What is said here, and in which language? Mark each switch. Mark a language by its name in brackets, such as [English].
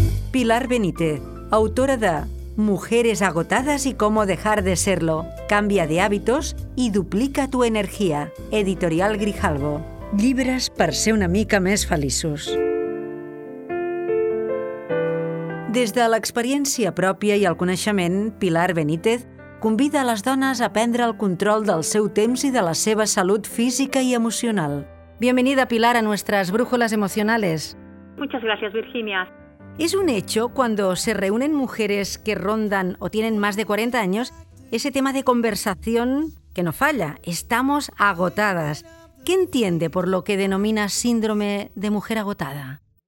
[Spanish] Pilar Benítez, autora de Mujeres agotadas y cómo dejar de serlo. Cambia de hábitos y duplica tu energía. Editorial Grijalbo. [Catalan] Llibres per ser una mica més feliços. Des de l'experiència pròpia i el coneixement, Pilar Benítez convida les dones a prendre el control del seu temps i de la seva salut física i emocional. [Spanish] Bienvenida, Pilar, a nuestras brújulas emocionales. Muchas gracias, Virginia. ¿Es un hecho cuando se reúnen mujeres que rondan o tienen más de 40 años ese tema de conversación que no falla? Estamos agotadas. ¿Qué entiende por lo que denomina síndrome de mujer agotada?